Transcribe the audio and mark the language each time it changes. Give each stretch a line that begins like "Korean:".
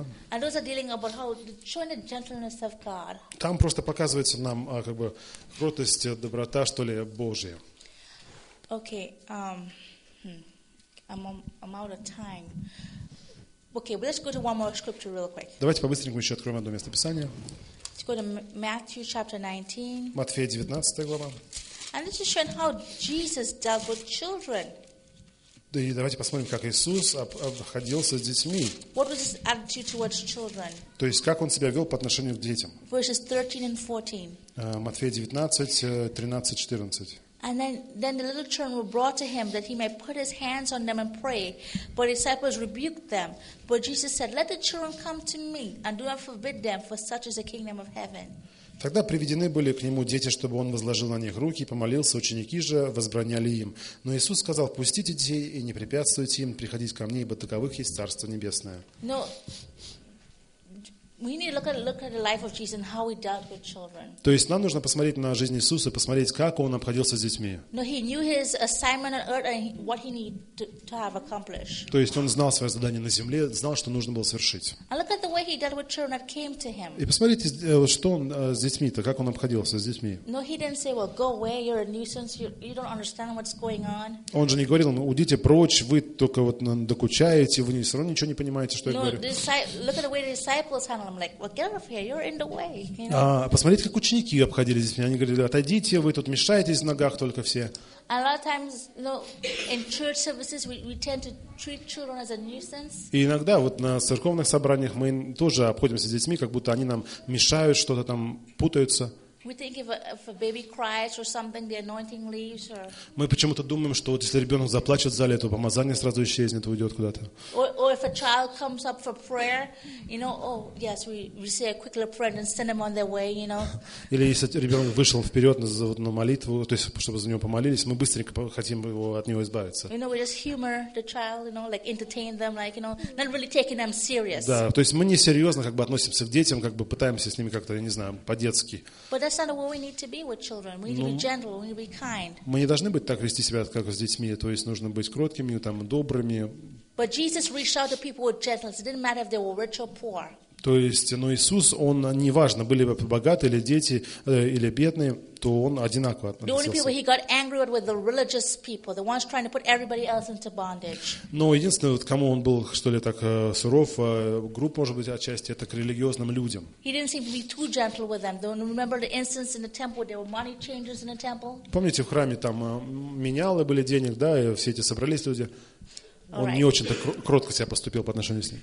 English: And those are dealing about how showing the gentleness of God.
Russian: Там просто показывается нам как бы кротость, доброта, что ли, Божья.
English: Okay, I'm out of time. Okay, but let's go to one more scripture real quick.
Russian: Давайте по-быстренькому еще откроем одно место Писания.
English: Let's go to Matthew chapter 19.
Russian: Матфея 19 глава.
English: And let's just show how Jesus dealt with children.
Russian: Да и давайте посмотрим, как Иисус обходился с детьми.
English: What was his attitude towards children?
Russian: То есть как он себя вел по отношению к детям.
English: Verses 13 and 14.
Russian: Матфея 19:13-14.
English: And then the little children were brought to him that he might put his hands on them and pray. But his disciples rebuked them. But Jesus said, "Let the children come to me, and do not forbid them, for such is the kingdom of heaven."
Russian: Тогда приведены были к нему дети, чтобы он возложил на них руки и помолился. Ученики же возбраняли им. Но Иисус сказал: "Пустите детей и не препятствуйте им приходить ко мне, ибо таковых есть царство небесное."
English: No. We need to look at the life of Jesus and how he dealt with children.
Russian: То есть нам нужно посмотреть на жизнь Иисуса, посмотреть, как он обходился с детьми.
English: No, he knew his assignment on earth and what he needed to have accomplished.
Russian: То есть он знал свое задание на земле, знал, что нужно было совершить.
English: And look at the way he dealt with children that came to him.
Russian: И посмотрите, что он с детьми-то, как он обходился с детьми.
English: No, he didn't say, "Well, go away, you're a nuisance, you don't understand what's going on."
Russian: Он же не говорил: "Уйдите прочь, вы только вот докучаете, вы все равно ничего не понимаете, что я говорю."
English: No, look at the way the disciples handled. I'm like, "Well, get out of here. You're in the way." You know?
Russian: Посмотрите, как ученики обходили здесь. Они говорили: "Отойдите, вы тут мешаетесь в ногах только все."
English: A lot of times, you know, in church services, we tend to treat children as a nuisance.
Russian: И иногда вот на церковных собраниях мы тоже обходимся с детьми, как будто они нам мешают, что-то там путаются.
English: We think if a baby cries or something, the anointing leaves. Or...
Russian: Мы почему-то думаем, что вот если ребенок заплачет в зале, то помазание сразу исчезнет, уйдет куда-то.
English: Or if a child comes up for prayer, you know, oh yes, we say a quick little prayer and send them on their way, you know.
Russian: Или если ребенок вышел вперед на молитву, то есть чтобы за него помолились, мы быстренько хотим его от него избавиться.
English: You know, we just humor the child, you know, like entertain them, like you know, not really taking them serious.
Russian: Да, то есть мы не серьезно как бы относимся к детям, как бы пытаемся с ними как-то, я не знаю, по-детски.
English: But that's not what we need to be with children. We need to be gentle. We need to be kind.
Russian: Мы не должны быть так вести себя, как с детьми. То есть нужно быть кроткими, там добрыми.
English: But Jesus reached out to people with gentleness. It didn't matter if they were rich or poor.
Russian: То есть, но Иисус, он неважно были бы богатые или дети или бедные, то он одинаково относился.
English: The only people he got angry with were the religious people, the ones trying to put everybody else into bondage.
Russian: Но единственное, вот кому он был что ли так суров, груб, может быть отчасти, это к религиозным людям.
English: He didn't seem to be too gentle with them. Don't remember the instance in the temple where there were money changers in the temple?
Russian: Помните, в храме там менялы были денег, да, и все эти собрались люди.
English: All
Russian: Он
English: right.
Russian: не очень-то кротко себя поступил по отношению с ним.